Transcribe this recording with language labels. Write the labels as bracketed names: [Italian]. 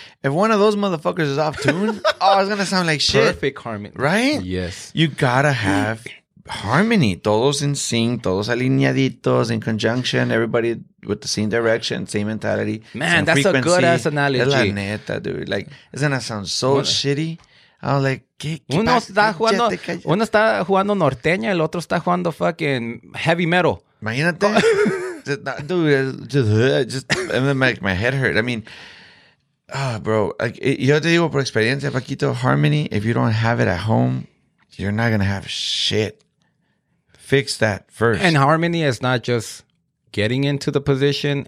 [English] If one of those motherfuckers is off tune, it's going to sound like shit. Perfect harmony. Right? Yes. You got to have harmony. Todos in sync, todos alineaditos, in conjunction, everybody with the same direction, same mentality. Man, same that's frequency. A good ass analogy. [Spanish] La neta, dude. [English] Like, it's gonna sound so shitty. I'm like, [Spanish] uno está jugando norteña, el otro está jugando fucking heavy metal. Imagínate. [English] Dude, just make my head hurt. I mean, bro, yo te digo por experiencia, Paquito, harmony, if you don't have it at home, you're not gonna have shit. Fix that first. And harmony is not just getting into the position.